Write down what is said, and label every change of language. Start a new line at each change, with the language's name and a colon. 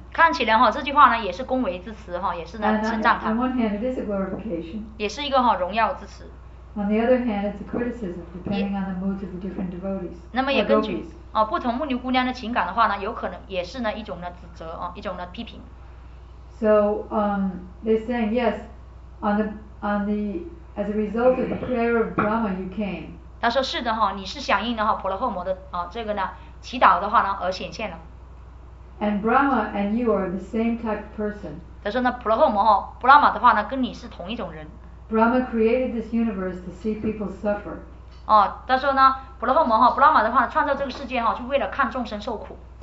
Chinese: 看起来哈这句话呢也是恭维之词哈，也是呢称赞他。
English: On one hand, it is a glorification.
Chinese: 也是一个哈荣耀之词。
English: On the other hand, it's a criticism depending on the moods of the different devotees.
Chinese: 那么也根据不同牧牛姑娘的情感的话呢，有可能也是呢一种的指责一种的批评。
English: So they're saying yes, on the as a result of the prayer of Brahma you came.
Chinese: 他说是的哈，你是响应的哈婆罗诃摩的这个呢祈祷的话呢而显现了。
English: And Brahma and you are the same type of person.
Chinese: 他说呢婆罗诃摩哈布拉玛的话呢跟你是同一种人。
English: Brahma created this universe to see people suffer.
Chinese: 他说呢，婆罗诃摩哈，布拉玛的话呢，创造这个世界哈，就为了看众生受苦。